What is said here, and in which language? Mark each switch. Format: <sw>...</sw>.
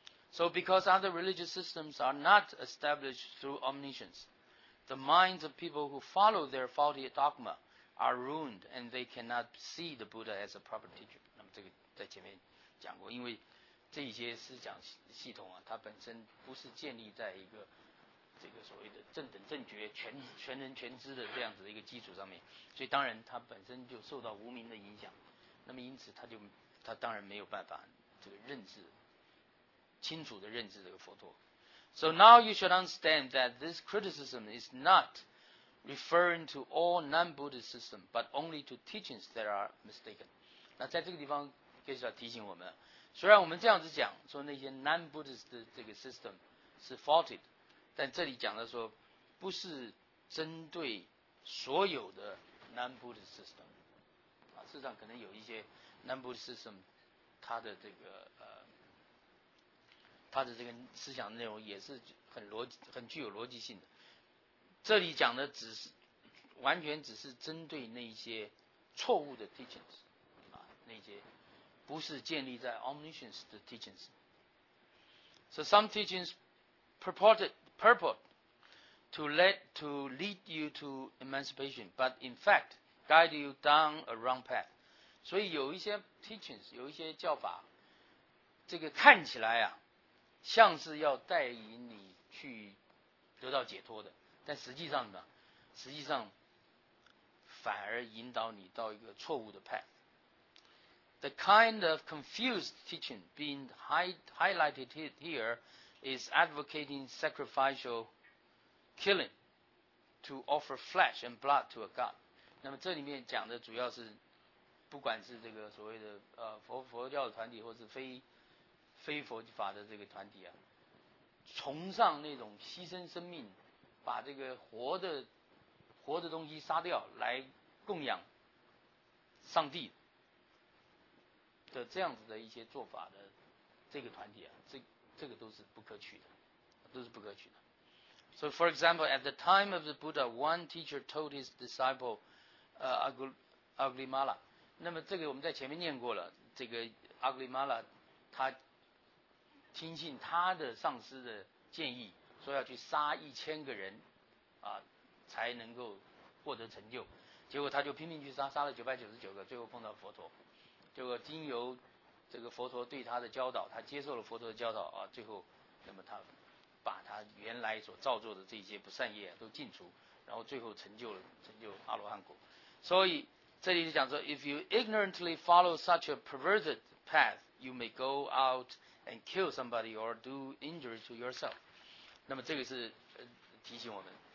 <en>So because other religious systems are not established through omniscience, the minds of people who follow their faulty dogma are ruined and they cannot see the Buddha as a proper teacher。</en> <zh>那么这个在前面讲过，因为这些思想系统啊，它本身不是建立在一个这个所谓的正等正觉全能全知的这样子的一个基础上面，所以当然它本身就受到无明的影响，那么因此它当然没有办法这个认识清楚的认识这个佛陀。</zh> <en>So now you should understand that this criticism is notreferring to all non-Buddhist system, but only to teachings that are mistaken.</en> <zh>那在这个地方，就是要提醒我们，虽然我们这样子讲，说那些 non-Buddhist 的这个 system 是 faulty， 但这里讲的说，不是针对所有的 non-Buddhist system。啊，事实上可能有一些 non-Buddhist system， 它的这个思想内容也是很具有逻辑性的。这里讲的只是完全只是针对那些错误的 teachings 啊，那些不是建立在 omniscience 的 teachings。</zh> <en>So some teachings purport to lead you to emancipation, but in fact guide you down a wrong path。</en> <zh>所以有一些 teachings， 有一些教法，这个看起来啊像是要带领你去得到解脱的，但实际上呢，实际上反而引导你到一个错误的 path。</zh> <en>The kind of confused teaching being highlighted here is advocating sacrificial killing to offer flesh and blood to a god。</en> <zh>那么这里面讲的主要是不管是这个所谓的佛教的团体，或是非佛法的这个团体啊，崇尚那种牺牲生命，把这个活的东西杀掉来供养上帝的这样子的一些做法的这个团体啊，这个都是不可取的，都是不可取的。</zh> <en>So for example, at the time of the Buddha, one teacher told his disciple, Aglimala。</en> <zh>那么这个我们在前面念过了，这个阿格里玛拉他听信他的上司的建议，说要去杀1000个人啊，才能够获得成就。结果他就拼命去杀，杀了999个，最后碰到佛陀。结果经由这个佛陀对他的教导，他接受了佛陀的教导啊，最后那么他把他原来所造作的这些不善业都尽除，然后最后成就阿罗汉果。所以这里就讲说</zh> <en>If you ignorantly follow such a perverted path, you may go out and kill somebody or do injury to yourself.</en> <zh>那么这个是提醒我们。</zh>